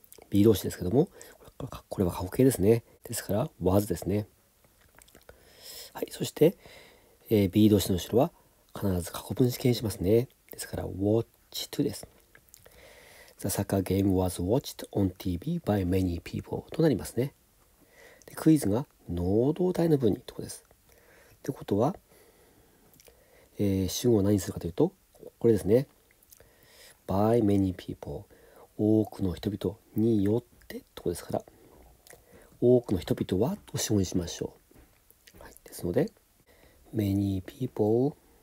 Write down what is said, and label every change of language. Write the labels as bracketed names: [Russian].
[Japanese] B 動詞ですけども、これは過去形ですね。ですから、was ですね。はい、そして、B 動詞の後ろは必ず過去分詞形にしますね。ですから、watched です。 [English] The soccer game was watched on TV by many people [Japanese] となりますね。で、クイズが能動態の文にとこです。ってことは、主語を何するかというと、これですね。 [English] by many people、 [Japanese] 多くの人々によってとこですから、多くの人々はと主語にしましょう。はい、ですので、 [English] many people。